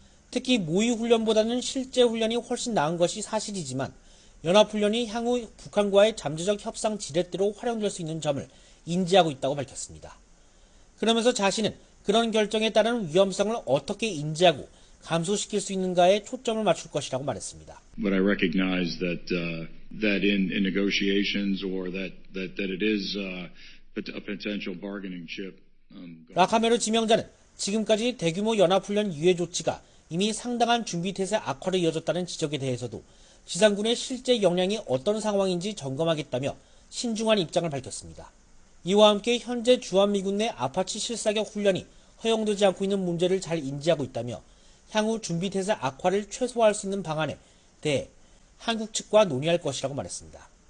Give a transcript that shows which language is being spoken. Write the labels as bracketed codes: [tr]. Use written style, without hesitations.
[ko] 특히 모의훈련보다는 실제 훈련이 훨씬 나은 것이 사실이지만 연합훈련이 향후 북한과의 잠재적 협상 지렛대로 활용될 수 있는 점을 인지하고 있다고 밝혔습니다. 그러면서 자신은 그런 결정에 따른 위험성을 어떻게 인지하고 감소시킬 수 있는가에 초점을 맞출 것이라고 말했습니다. [en] But I recognize that that in negotiations or that it is a potential bargaining chip. [ko] 라카메르 지명자는 지금까지 대규모 연합훈련 유예 조치가 이미 상당한 준비태세 악화를 이어졌다는 지적에 대해서도 지상군의 실제 역량이 어떤 상황인지 점검하겠다며 신중한 입장을 밝혔습니다. 이와 함께 현재 주한미군 내 아파치 실사격 훈련이 허용되지 않고 있는 문제를 잘 인지하고 있다며 향후 준비태세 악화를 최소화할 수 있는 방안에 대해 한국 측과 논의할 것이라고 말했습니다.